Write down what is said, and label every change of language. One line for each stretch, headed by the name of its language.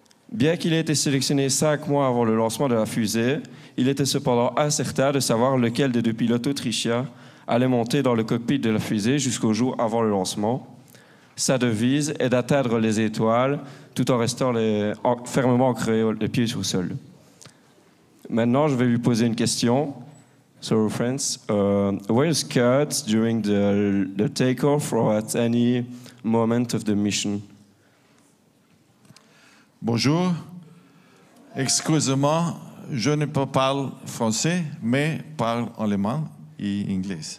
French: Bien qu'il ait été sélectionné 5 mois avant le lancement de la fusée, il était cependant incertain de savoir lequel des deux pilotes autrichiens allait monter dans le cockpit de la fusée jusqu'au jour avant le lancement. Sa devise est d'atteindre les étoiles tout en restant fermement ancrés les pieds sur le sol. Maintenant, je vais lui poser une question.
English: So, Franz, where is Kurt during the takeoff or at any moment of the mission?
French: Bonjour. Excusez-moi, je ne peux pas parler français, mais parle allemand et anglais.